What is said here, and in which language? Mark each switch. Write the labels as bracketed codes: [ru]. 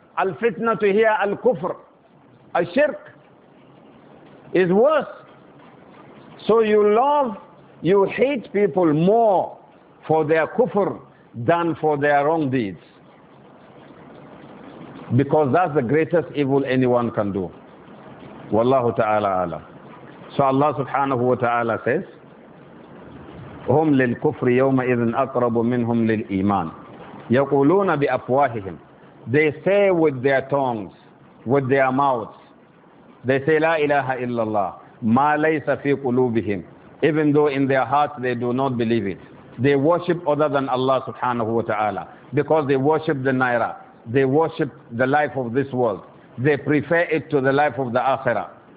[en] Al fitnatu here, al kufr. Al shirk is worse. So you hate people more for their kufr than for their wrong deeds. because that's the greatest evil anyone can do. Wallahu ta'ala ala. So Allah subhanahu wa ta'ala says, [ar] هُمْ لِلْكُفْرِ يَوْمَ إِذٍ أَقْرَبُ مِنْهُمْ لِلْإِيمَانِ يَقُولُونَ بِأَفْوَاهِهِمْ. [en] They say with their tongues, with their mouths, they say [ar] لا إله إلا الله ما ليس في قلوبهم. [en] Even though in their hearts they do not believe it, they worship other than Allah subhanahu wa ta'ala, because they worship the naira, they worship the life of this world, they prefer it to the life of the akhirah.